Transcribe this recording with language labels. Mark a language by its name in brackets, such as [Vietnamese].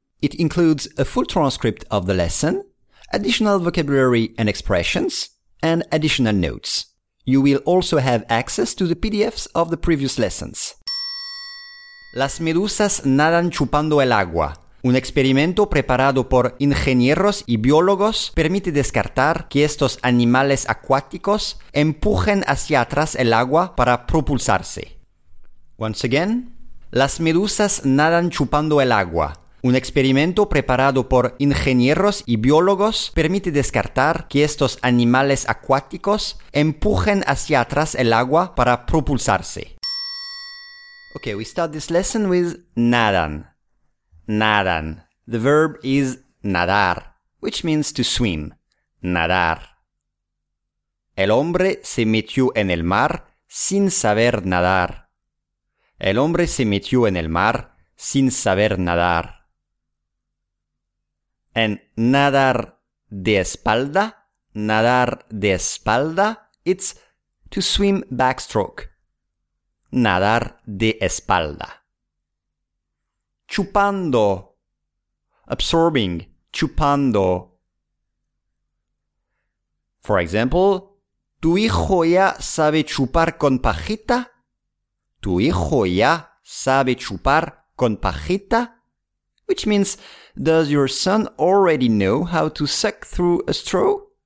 [English] It includes a full transcript of the lesson, additional vocabulary and expressions, and additional notes. You will also have access to the PDFs of the previous lessons. [Spanish] Las medusas nadan chupando el agua. Un experimento preparado por ingenieros y biólogos permite descartar que estos animales acuáticos empujen hacia atrás el agua para propulsarse. [English] Once again, [Spanish] las medusas nadan chupando el agua. Un experimento preparado por ingenieros y biólogos permite descartar que estos animales acuáticos empujen hacia atrás el agua para propulsarse. [English] Okay, we start this lesson with nadan. Nadan. The verb is nadar, which means to swim. [Spanish] Nadar. El hombre se metió en el mar sin saber nadar. El hombre se metió en el mar sin saber nadar. [English] And [Spanish] nadar de espalda, nadar de espalda, [English] it's to swim backstroke. [Spanish] Nadar de espalda. Chupando, absorbing, chupando. [English] For example, [Spanish] tu hijo ya sabe chupar con pajita. Tu hijo ya sabe chupar con pajita. [English] Which means, does your son already know how to suck through a straw?